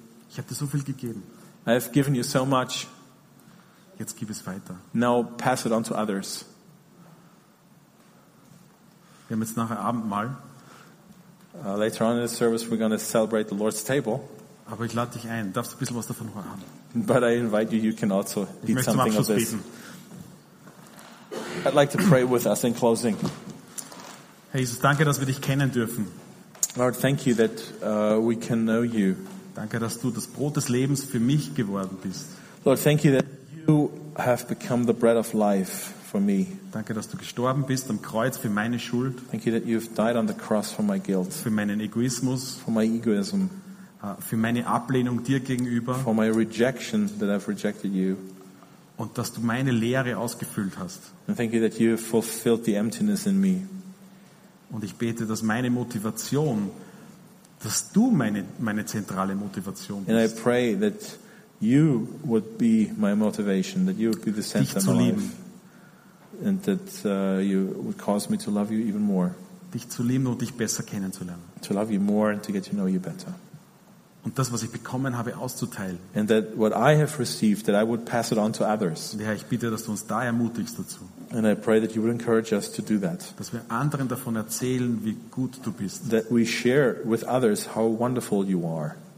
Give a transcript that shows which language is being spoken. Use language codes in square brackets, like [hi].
[de] Ich habe dir so viel gegeben. [en] I have given you so much. [de] Jetzt gib es weiter. [en] Now pass it on to others. [de] Wir haben jetzt nachher Abendmahl. [en] Later on in the service, we're going to celebrate the Lord's table. [de] Aber ich lade dich ein. Darfst du ein bisschen was davon haben? [en] But I invite you. You can also [de] ich [en] eat something of this. [de] Beten. [en] I'd like to pray with us in closing. [de] Hey Jesus, danke, dass wir dich kennen dürfen. [en] Lord, thank you that we can know you. [de] Danke, dass du das Brot des Lebens für mich geworden bist. [en] Lord, thank you that you have become the bread of life for me. [de] Danke, dass du gestorben bist am Kreuz für meine Schuld. [en] Thank you that you've died on the cross for my guilt. [de] Für meinen Egoismus. [en] For my egoism. [de] Für meine Ablehnung dir gegenüber. [en] For my rejection that I've rejected you. [de] Und dass du meine Leere ausgefüllt hast. [en] And thank you that you have fulfilled the emptiness in me. [de] Und ich bete, dass meine Motivation, dass du meine zentrale Motivation bist. [en] And I pray that you would be my motivation, that you would be the center of my life. And that you would cause me to love you even more. [de] Dich zu lieben und dich besser kennenzulernen. [en] To love you more and to get to know you better. [de] Und das, was ich bekommen habe, auszuteilen. [en] And that what I have received, that I would pass it on to others. [de] Ja, ich bitte, dass du uns da ermutigst dazu. [en] And I pray that you would encourage us to do that. [de] Dass wir anderen davon erzählen, wie gut du bist. [en] That we share with others how wonderful you are.